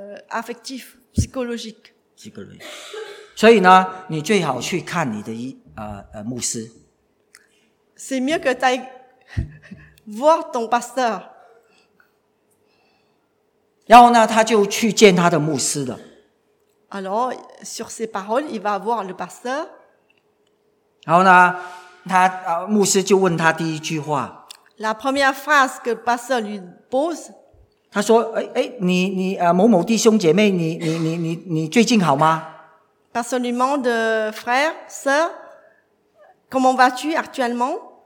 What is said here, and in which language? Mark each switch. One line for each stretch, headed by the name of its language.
French: affectif, psychologique. Psychologique.
Chinese: 所以呢，你最好去看你的牧师。
French: C'est mieux que d'aller voir ton pasteur.
Chinese: 然后呢，他就去见他的牧师了。
French: Alors, sur ces paroles, il va voir le pasteur.
Chinese: 然后呢，他牧师就问他第一句话。
French: La première phrase que le pasteur lui pose.
Chinese: 他说：“哎，你某某弟兄姐妹，你最近好吗？”
French: Personnellement, de frère, sœur, comment vas-tu actuellement?